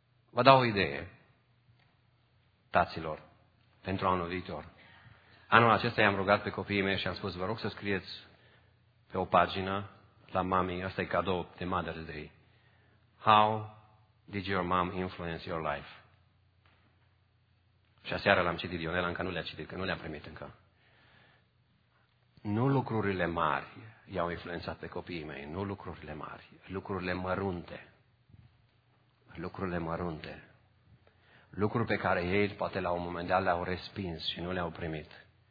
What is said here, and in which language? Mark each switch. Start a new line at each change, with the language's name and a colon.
Romanian: Vă dau o idee, taților, pentru anul viitor. Anul acesta i-am rugat pe copiii mei și am spus, vă rog să scrieți pe o pagină la mami, asta e cadou de Mother's Day.
English: How did your mom influence your life?
Romanian: Și aseară l-am citit, Ionela încă nu le-a citit, că nu le-am primit încă. Nu lucrurile mari i-au influențat pe copiii mei, nu lucrurile mari, lucrurile mărunte. Lucrurile mărunte. Lucruri pe care ei, poate la un moment dat, le-au respins și nu le-au primit.